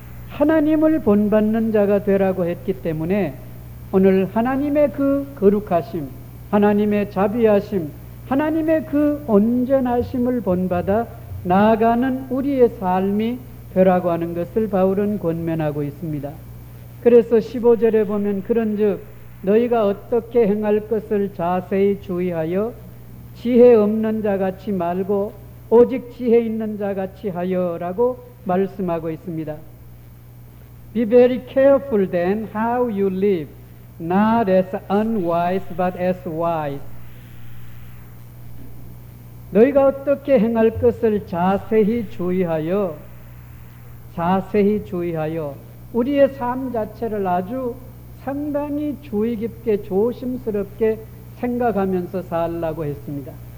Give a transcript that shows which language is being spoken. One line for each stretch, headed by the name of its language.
Korean: 하나님을 본받는 자가 되라고 했기 때문에 오늘 하나님의 그 거룩하심, 하나님의 자비하심, 하나님의 그 온전하심을 본받아 나아가는 우리의 삶이 되라고 하는 것을 바울은 권면하고 있습니다. 그래서 15절에 보면 그런즉 너희가 어떻게 행할 것을 자세히 주의하여 지혜 없는 자같이 말고 오직 지혜 있는 자같이 하여라고 말씀하고 있습니다.
English: Be very careful then how you live, not as unwise but as wise.
Korean: 너희가 어떻게 행할 것을 자세히 주의하여 자세히 주의하여 우리의 삶 자체를 아주 상당히 주의 깊게 조심스럽게 생각하면서 살라고 했습니다.